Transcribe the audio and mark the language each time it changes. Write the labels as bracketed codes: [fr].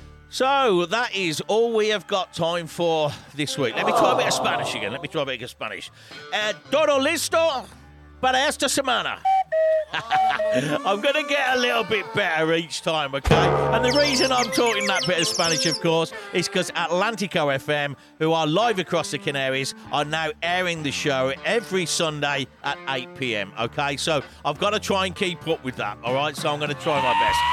[en] So that is all we have got time for this week. Let me try a bit of Spanish again. Let me try a bit of Spanish. [es] Todo listo para esta semana. [en] I'm going to get a little bit better each time, okay? And the reason I'm talking that bit of Spanish, of course, is because Atlantico FM, who are live across the Canaries, are now airing the show every Sunday at 8 p.m, okay? So I've got to try and keep up with that, all right? So I'm going to try my best.